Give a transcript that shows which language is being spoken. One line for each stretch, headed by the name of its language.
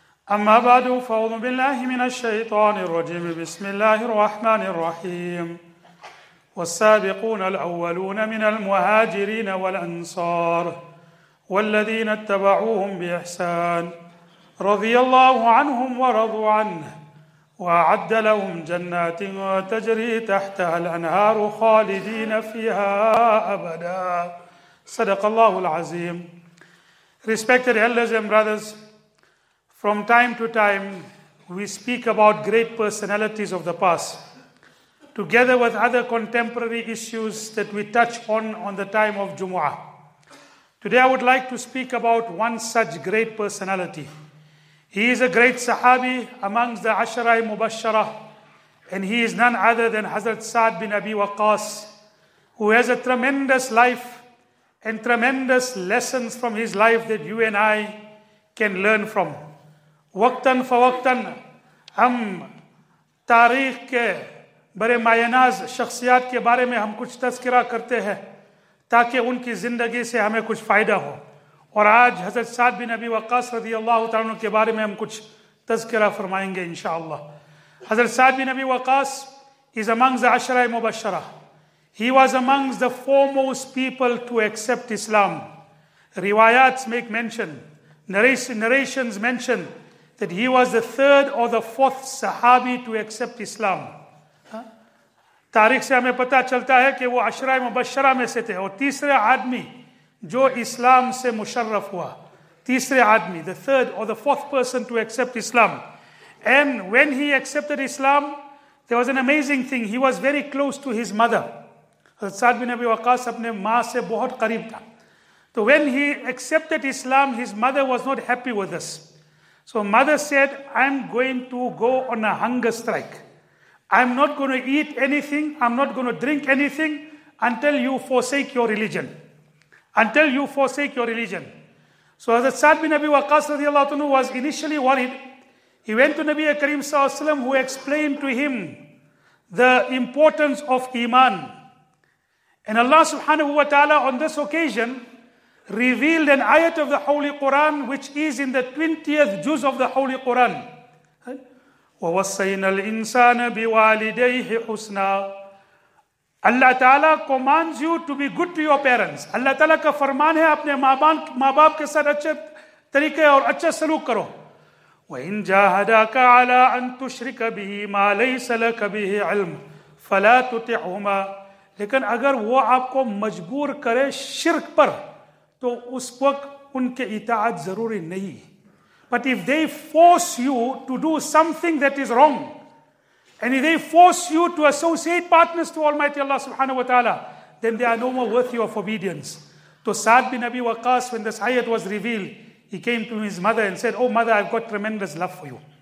Arabic: أما بعد فأعوذ بالله من الشيطان الرجيم بسم الله الرحمن الرحيم والسابقون الأولون من المهاجرين والأنصار والذين اتبعوهم بإحسان رضي الله عنهم ورضوا عنه وأعد لهم جنات تجري تحتها الأنهار خالدين فيها أبدا صدق الله العظيم.
English: Respected elders and brothers, from time to time we speak about great personalities of the past together with other contemporary issues that we touch on the time of Jumu'ah. Today I would like to speak about one such great personality. He is a great Sahabi amongst the Ashara-i Mubashara, and he is none other than Hazrat Sa'd bin Abi Waqqas, who has a tremendous life and tremendous lessons from his life that you and I can learn from.
Urdu: Waqtan fa waqtan hum tareekh ke bare mayanaz shakhsiyat ke bare mein hum kuch tazkira karte hain تاکہ ان کی زندگی سے ہمیں کچھ فائدہ ہو, اور آج حضرت سعد بن ابی وقاص رضی اللہ تعالیٰ عنہ کے بارے میں ہم کچھ تذکرہ فرمائیں گے انشاءاللہ.
English: حضرت Sa'd bin Abi Waqqas is amongst the عشرہ مبشرہ. He was amongst the foremost people to accept Islam. Riwayats make mention, narrations mention that he was the third or the fourth Sahabi to accept Islam.
Urdu: تاریخ سے ہمیں پتہ چلتا ہے کہ وہ عشرہ مبشرہ میں سے تھے, اور تیسرے آدمی جو اسلام سے مشرف ہوا, تیسرے آدمی,
English: the third or the fourth person to accept Islam. And when he accepted Islam, there was an amazing thing. He was very close to his mother.
Urdu: حضرت سعد بن ابی وقاص اپنے ماں سے بہت قریب تھا.
English: تو when he accepted Islam, his mother was not happy with this. So mother said, I'm going to go on a hunger strike. I'm not going to eat anything, I'm not going to drink anything until you forsake your religion. Until you forsake your religion. So Hazrat Sa'd bin Abi Waqqas radiallahu anhu was initially worried. He went to Nabi Kareem sallallahu alaihi wasallam, who explained to him the importance of Iman. And Allah subhanahu wa ta'ala on this occasion revealed an ayat of the Holy Quran, which is in the 20th juz of the Holy Quran.
Arabic: وَوَصَّيْنَا الْإِنسَانَ بِوَالِدَيْهِ حُسْنًا.
English: Allah Ta'ala commands you to be good to your parents.
Urdu: Allah Ta'ala کا فرمان ہے اپنے ماں باپ کے ساتھ اچھے طریقے اور اچھا سلوک کرو.
Arabic: وَإِن جَاهَدَاكَ عَلَىٰ أَن تُشْرِكَ بِهِ مَا لَيْسَ لَكَ بِهِ عِلْمٌ فَلَا تُطِعْهُمَا.
Urdu: لیکن اگر وہ آپ کو مجبور کرے شرک پر تو اس وقت ان کے اطاعت ضروری نہیں.
English: But if they force you to do something that is wrong, and if they force you to associate partners to Almighty Allah subhanahu wa ta'ala, then they are no more worthy of obedience. To Sa'd bin Abi Waqqas, when this ayat was revealed, he came to his mother and said, oh mother, I've got tremendous love for you.